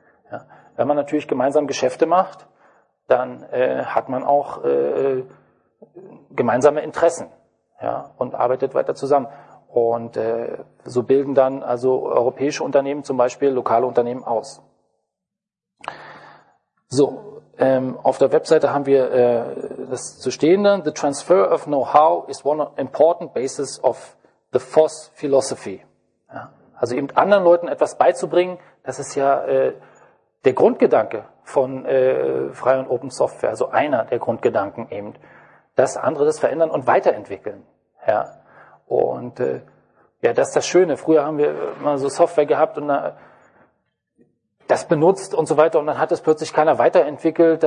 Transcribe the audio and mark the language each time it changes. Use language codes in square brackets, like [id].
[de] Ja, wenn man natürlich gemeinsam Geschäfte macht, dann hat man auch gemeinsame Interessen, ja, und arbeitet weiter zusammen. Und so bilden dann also europäische Unternehmen zum Beispiel lokale Unternehmen aus. So, auf der Webseite haben wir das zu stehen dann. [en] The transfer of know-how is one important basis of the FOS philosophy. [de] Ja, also eben anderen Leuten etwas beizubringen, das ist ja der Grundgedanke von Frei und Open Software, also einer der Grundgedanken eben, dass andere das verändern und weiterentwickeln. Ja. Und ja, das ist das Schöne. Früher haben wir mal so Software gehabt und das benutzt und so weiter und dann hat es plötzlich keiner weiterentwickelt.